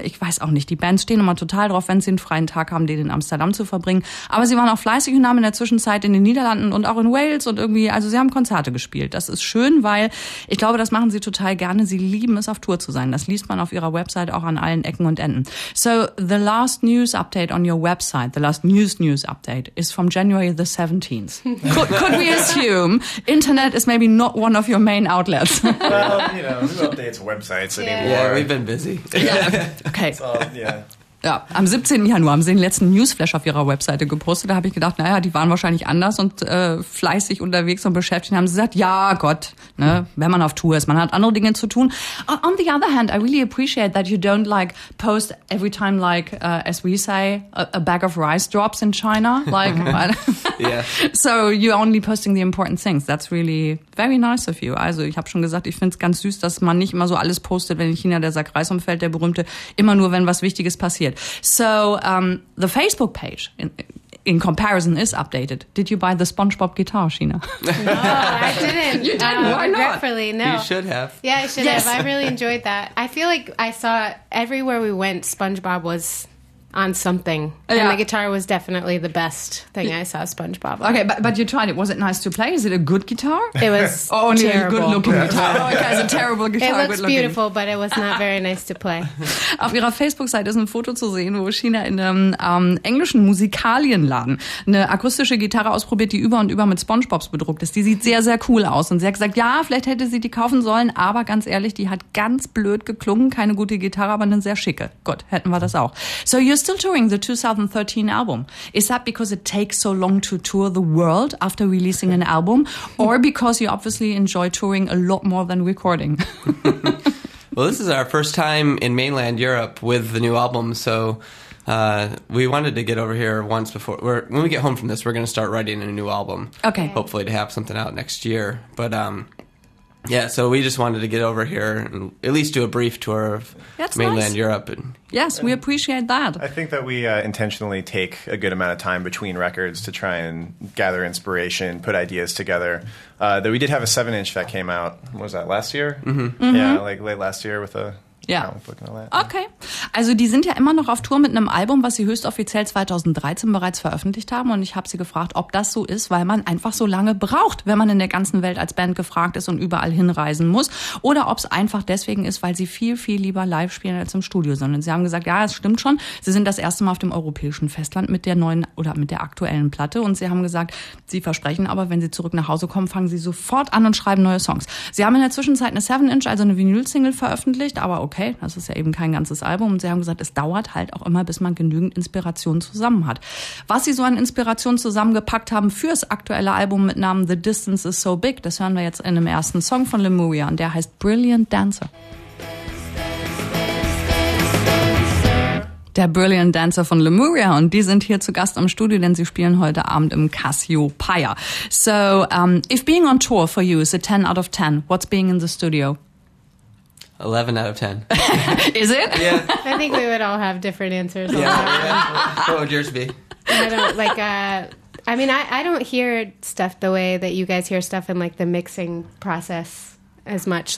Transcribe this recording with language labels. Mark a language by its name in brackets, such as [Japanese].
[German] Ich weiß auch nicht, die Bands stehen immer total drauf, wenn sie einen freien Tag haben, den in Amsterdam zu verbringen. Aber sie waren auch fleißig und haben in der Zwischenzeit in den Niederlanden und auch in Wales und irgendwie, also sie haben Konzerte gespielt. Das ist schön, weil ich glaube, das machen sie total gerne. Sie lieben es, auf Tour zu sein. Das liest man auf ihrer Website auch an allen Ecken und Enden. [English] So, the last news update on your website, the last news update is from January the 17th. Could we assume internet is maybe not one of your main outlets? Well, you know, who updates websites anymore? Yeah, we've been busy. [German] Yeah. Okay. Ja, am 17. Januar haben sie den letzten Newsflash auf ihrer Webseite gepostet. Da habe ich gedacht, naja, die waren wahrscheinlich anders und fleißig unterwegs und beschäftigt. Und haben sie gesagt, ja Gott, ne, wenn man auf Tour ist, man hat andere Dinge zu tun. [English] On the other hand, I really appreciate that you don't like post every time, like as we say, a bag of rice drops in China. Like, yeah. So you're only posting the important things. That's really very nice of you. [German] Also ich habe schon gesagt, ich finde es ganz süß, dass man nicht immer so alles postet, wenn in China der Sack Reis umfällt, der berühmte, immer nur, wenn was Wichtiges passiert. [English] So, the Facebook page, in comparison, is updated. Did you buy the SpongeBob guitar, Sheena? No, I didn't. You didn't? No, why not? Regretfully, no. You should have. Yeah, I should have. I really enjoyed that. I feel like I saw everywhere we went, SpongeBob was on something. Yeah. And the guitar was definitely the best thing I saw SpongeBob on. Okay, but you tried it. Was it nice to play? Is it a good guitar? It was only a good-looking guitar. Oh, okay, it's a terrible guitar. It looks beautiful, but it was not very nice to play. [German] Auf ihrer Facebook-Seite ist ein Foto zu sehen, wo Sheena in einem englischen Musikalienladen eine akustische Gitarre ausprobiert, die über und über mit SpongeBobs bedruckt ist. Die sieht sehr, sehr cool aus. Und sie hat gesagt, ja, vielleicht hätte sie die kaufen sollen, aber ganz ehrlich, die hat ganz blöd geklungen. Keine gute Gitarre, aber eine sehr schicke. Gut, hätten wir das auch. So, you're still touring the 2013 album. [English] Is that because it takes so long to tour the world after releasing an album, or because you obviously enjoy touring a lot more than recording? Well, this is our first time in mainland Europe with the new album, so we wanted to get over here once before. When we get home from this, we're going to start writing a new album. Okay. Hopefully to have something out next year. But yeah, so we just wanted to get over here and at least do a brief tour of mainland Europe. And, yes, we appreciate that. I think that we intentionally take a good amount of time between records to try and gather inspiration, put ideas together. That we did have a 7-inch that came out, what was that, last year? Mm-hmm. Yeah, like late last year with a... [German] Ja. [English] Yeah. Okay. [German] Also die sind ja immer noch auf Tour mit einem Album, was sie höchst offiziell 2013 bereits veröffentlicht haben. Und ich habe sie gefragt, ob das so ist, weil man einfach so lange braucht, wenn man in der ganzen Welt als Band gefragt ist und überall hinreisen muss. Oder ob es einfach deswegen ist, weil sie viel, viel lieber live spielen als im Studio. Sondern sie haben gesagt, ja, es stimmt schon. Sie sind das erste Mal auf dem europäischen Festland mit der neuen oder mit der aktuellen Platte. Und sie haben gesagt, sie versprechen aber, wenn sie zurück nach Hause kommen, fangen sie sofort an und schreiben neue Songs. Sie haben in der Zwischenzeit eine 7-Inch, also eine Vinyl-Single veröffentlicht, aber okay, das ist ja eben kein ganzes Album. Und sie haben gesagt, es dauert halt auch immer, bis man genügend Inspiration zusammen hat. Was sie so an Inspiration zusammengepackt haben fürs aktuelle Album mit Namen The Distance Is So Big, das hören wir jetzt in dem ersten Song von Lemuria. Und der heißt Brilliant Dancer. der Brilliant Dancer von Lemuria. Und die sind hier zu Gast im Studio, denn sie spielen heute Abend im Cassiopeia. [English] So, if being on tour for you is a 10 out of 10, what's being in the studio? 11 out of 10. Is it? Yeah. I think we would all have different answers. Yeah. What would yours be? I don't hear stuff the way that you guys hear stuff in like the mixing process as much.